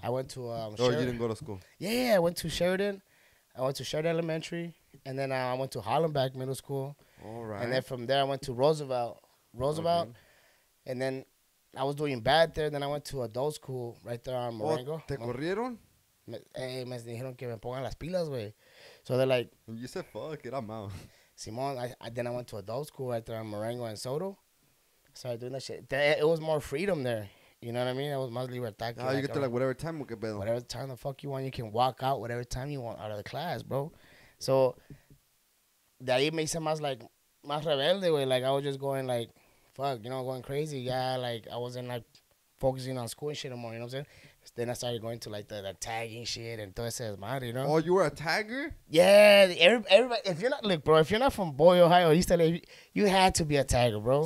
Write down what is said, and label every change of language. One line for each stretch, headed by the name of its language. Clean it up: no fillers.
English: I went to Sheridan. Oh, you didn't go to school? Yeah, I went to Sheridan. I went to Sheridan Elementary, and then I went to Hollenbeck Middle School. All right. And then from there, I went to Roosevelt. Okay. And then I was doing bad there. Then I went to adult school right there on Marengo.
Spanish: ¿Te corrieron? Me dijeron que me pongan las pilas, güey.
English: So they're like... You said, fuck it, I'm out. Simón, then I went to adult school right there on Marengo and Soto. Started doing that shit. It was more freedom there. You know what I mean? That was
Spanish: más libertad.
English: Oh, you get to, like, whatever time we get. Whatever time the fuck you want. You can walk out whatever time you want out of the class, bro.
Spanish: So, de ahí me hice más, like, más rebelde, güey.
English: Like, I was just going, like, fuck, you know, going crazy. Yeah, like, I wasn't, like, focusing on school and shit anymore, you know what I'm saying? Then I started going to, like, the tagging shit and
Spanish: todo ese desmadre,
English: you know? Oh, you were a tagger? Yeah, everybody, if you're not, look, bro, if you're not from Boyle, Ohio, East LA, you had to be a tagger, bro.